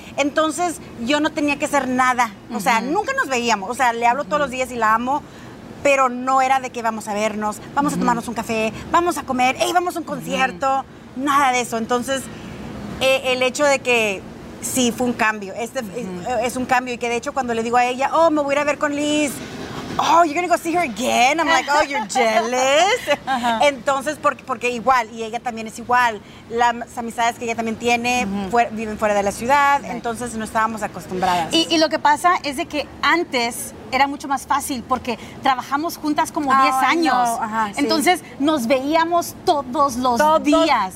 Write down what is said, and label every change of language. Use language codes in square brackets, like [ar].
[es] Entonces, yo no tenía que hacer nada. O sea, nunca nos veíamos. O sea, le hablo todos los días y la amo, pero no era de que vamos a vernos, vamos a tomarnos un café, vamos a comer, hey, vamos a un concierto. Nada de eso. Entonces, el hecho de que... Sí, fue un cambio. Es un cambio. Y que de hecho, cuando le digo a ella, oh, me voy a ir a ver con Liz. [en] Oh, you're going to go see her again. I'm like, oh, you're jealous. Uh-huh. [es] Entonces, porque igual. Y ella también es igual. Las amistades que ella también tiene viven fuera de la ciudad. Okay. Entonces, no estábamos acostumbradas. Y lo que pasa es de que antes era mucho más fácil porque trabajamos juntas como 10 años. No. Ajá, sí. Entonces, nos veíamos todos los días.